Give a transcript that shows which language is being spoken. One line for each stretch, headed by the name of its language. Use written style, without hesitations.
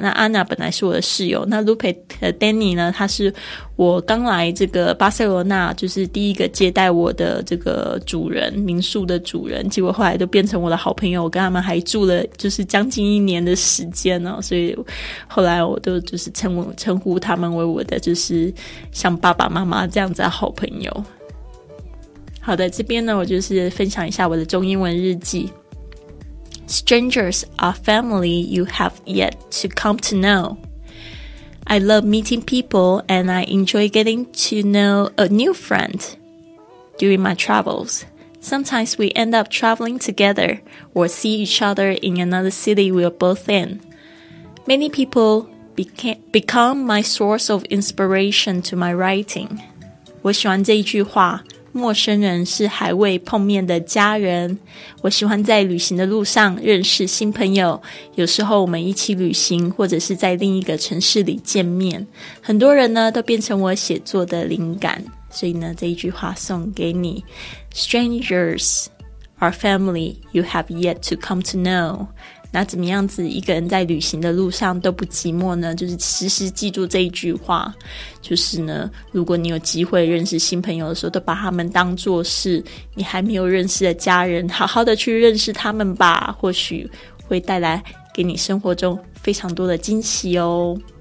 Chinese: 那安娜本来是我的室友，那 Lupe 和 Danny 呢，他是我刚来这个巴塞罗那就是第一个接待我的这个主人，民宿的主人，结果后来都变成我的好朋友，我跟他们还住了就是将近一年的时间哦，所以后来我都就是称呼他们为我的就是像爸爸妈妈这样子的好朋友。好的，这边呢，我就是分享一下我的中英文日记。
English: Strangers are family you have yet to come to know. I love meeting people and I enjoy getting to know a new friend during my travels. Sometimes we end up traveling together or see each other in another city we're both in. Many people become my source of inspiration to my writing.
Chinese: 我喜欢这一句话，陌生人是还未碰面的家人。我喜欢在旅行的路上认识新朋友，有时候我们一起旅行或者是在另一个城市里见面，很多人呢都变成我写作的灵感。所以呢，这一句话送给你。
English: Strangers are family you have yet to come to know。
Chinese: 那怎么样子一个人在旅行的路上都不寂寞呢？就是时时记住这一句话，就是呢，如果你有机会认识新朋友的时候，都把他们当作是你还没有认识的家人，好好的去认识他们吧，或许会带来给你生活中非常多的惊喜哦。